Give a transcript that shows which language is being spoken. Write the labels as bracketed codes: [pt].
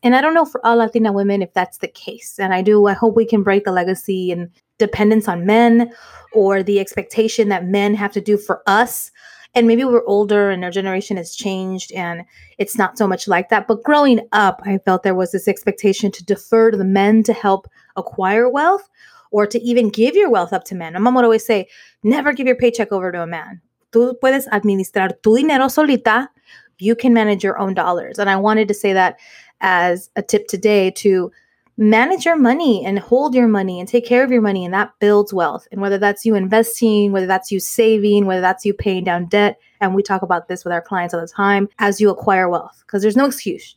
[en] And I don't know for all Latina women if that's the case. And I do, I hope we can break the legacy and dependence on men or the expectation that men have to do for us. And maybe we're older and our generation has changed and it's not so much like that. But growing up, I felt there was this expectation to defer to the men to help acquire wealth or to even give your wealth up to men. My mom would always say, never give your paycheck over to a man. [es] Tú puedes administrar tu dinero solita. [en] You can manage your own dollars. And I wanted to say that as a tip today to manage your money and hold your money and take care of your money, and that builds wealth. And whether that's you investing, whether that's you saving, whether that's you paying down debt, and we talk about this with our clients all the time, as you acquire wealth, because there's no excuse.